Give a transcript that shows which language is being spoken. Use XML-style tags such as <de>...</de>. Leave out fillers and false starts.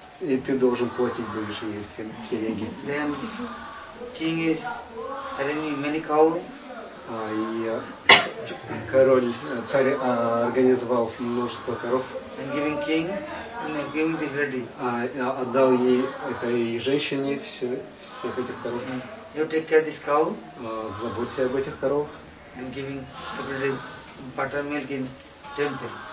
<ru>И ты должен платить будешь ей все деньги.</ru> <en>Then king is having many cow.</en> <ru>И король, царь организовал множество коров.</ru> <en>And giving king, and giving this lady.</en> <ru>Отдал ей этой женщине всех этих коров.</ru> <en>You take care of this cow.</en> <ru>Заботься об этих коров.</ru> <en>And giving everybody buttermilk in temple.</en>